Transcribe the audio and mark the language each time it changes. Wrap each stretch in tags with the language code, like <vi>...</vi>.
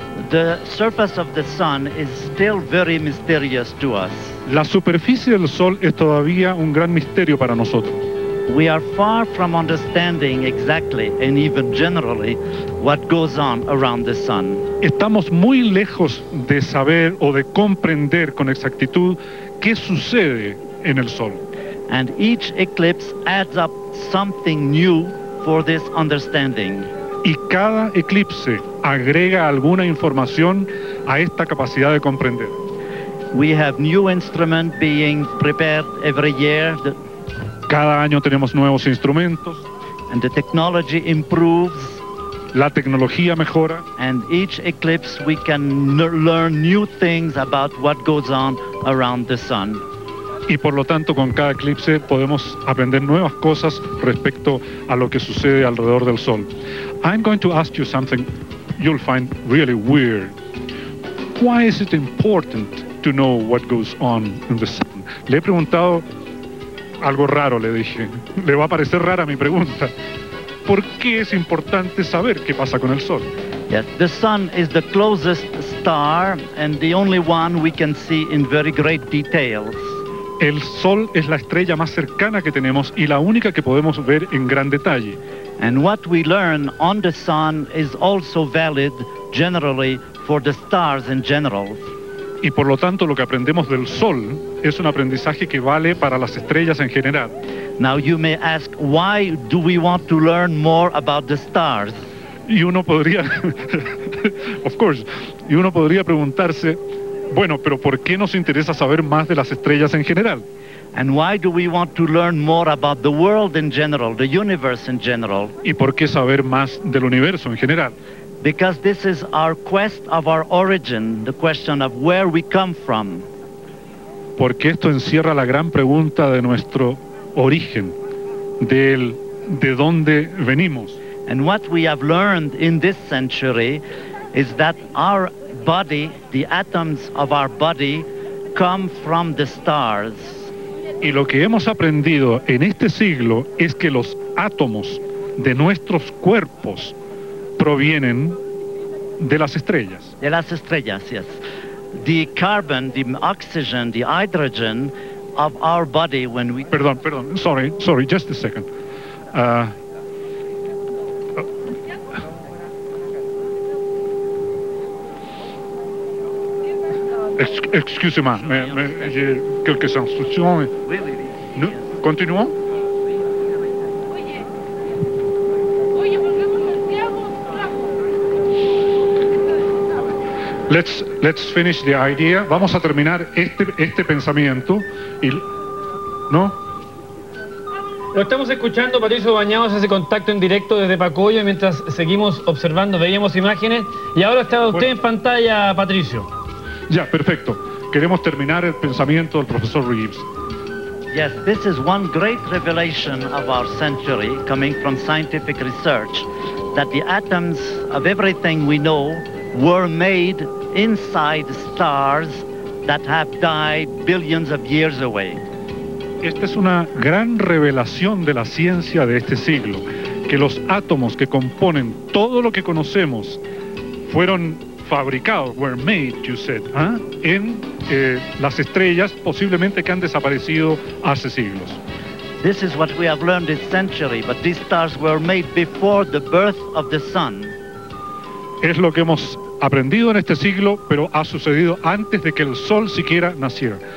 <en>The surface of the sun is still very mysterious to us.</en> <es>La superficie del sol es todavía un gran misterio para nosotros.</es> <en>We are far from understanding exactly and even generally what goes on around the sun.</en> <es>Estamos muy lejos de saber o de comprender con exactitud qué sucede en el Sol.</es> <en>And each eclipse adds up something new for this understanding.</en> <es>Y cada eclipse agrega alguna información a esta capacidad de comprender.</es> <en>We have new instrument being prepared every year.</en> <es>Cada año tenemos nuevos instrumentos.</es> <en>And the technology improves.</en> <es>La tecnología mejora.</es> <en>And each eclipse we can learn new things about what goes on around the sun.</en> <es>Y por lo tanto con cada eclipse podemos aprender nuevas cosas respecto a lo que sucede alrededor del sol.</es> <en>I'm going to ask you something you'll find really weird. Why is it important to know what goes on in the sun?</en> <es>Le he preguntado algo raro, le dije. Le va a parecer rara mi pregunta. ¿Por qué es importante saber qué pasa con el sol?</es> <en>Yes, the sun is the closest star and the only one we can see in very great details.</en> <es>El sol es la estrella más cercana que tenemos y la única que podemos ver en gran detalle.</es> <en>And what we learn on the sun is also valid generally for the stars in general.</en> <es>Y por lo tanto lo que aprendemos del sol es un aprendizaje que vale para las estrellas en general.</es> <en>Now you may ask, why do we want to learn more about the stars?</en> <es>Y uno podría</es> <en>of course,</en> <es>y uno podría preguntarse, bueno, pero ¿por qué nos interesa saber más de las estrellas en general?</es> <en>And why do we want to learn more about the world in general, the universe in general?</en> <es>¿Y por qué saber más del universo en general?</es> <en>Because this is our quest of our origin, the question of where we come from.</en> <es>Porque esto encierra la gran pregunta de nuestro origen, de dónde venimos.</es> <en>And what we have learned in this century is that our body, the atoms of our body, come from the stars.</en> <es>Y lo que hemos aprendido en este siglo es que los átomos de nuestros cuerpos provienen de las estrellas. De las estrellas,</es> <en>yes. The carbon, the oxygen, the hydrogen of our body when we...</en> <es>Perdón,</es> <en>sorry, just a second.</en> <fr>Excuse-moi, j'ai quelques instructions. Nous, continuons.</fr> <en>Let's finish the idea.</en> <es>Vamos a terminar este pensamiento. Y, ¿no? Lo estamos escuchando, Patricio Bañados hace contacto en directo desde Pacoya mientras seguimos observando, veíamos imágenes. Y ahora está usted bueno, en pantalla, Patricio. Ya, perfecto. Queremos terminar el pensamiento del profesor Reeves.</es> <en>Yes, this is one great revelation of our century coming from scientific research, that the atoms of everything we know were made inside stars that have died billions of years away.</en> <es>Esta es una gran revelación de la ciencia de este siglo, que los átomos que componen todo lo que conocemos fueron fabricados,</es> <en>were made, you said,</en> <es>en las estrellas posiblemente que han desaparecido hace siglos.</es> <en>This is what we have learned this century, but these stars were made before the birth of the sun.</en> <es>Es lo que hemos aprendido en este siglo, pero ha sucedido antes de que el sol siquiera naciera.</es>